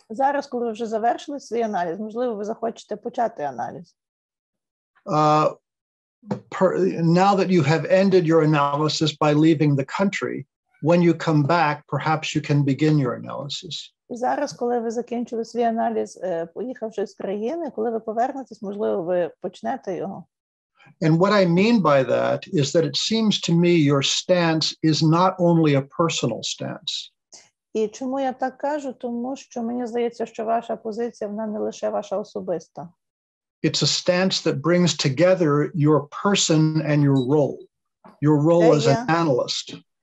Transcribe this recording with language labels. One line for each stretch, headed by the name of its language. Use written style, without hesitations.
Ukrainian: Зараз, коли ви вже завершили свій аналіз, можливо, ви захочете почати аналіз.
English: Now that you have ended your analysis by leaving the country, when you come back, perhaps you can begin your analysis.
Ukrainian: Зараз, коли ви закінчили свій аналіз, поїхавши з країни, коли ви повернетесь, можливо, ви почнете його.
English: And what I mean by that is that it seems to me your stance is not only a personal stance.
Ukrainian: І чому я так кажу? Тому що мені здається, що ваша позиція, вона не лише ваша особиста.
English: It's a stance that brings together your person and your role. Your role as an analyst.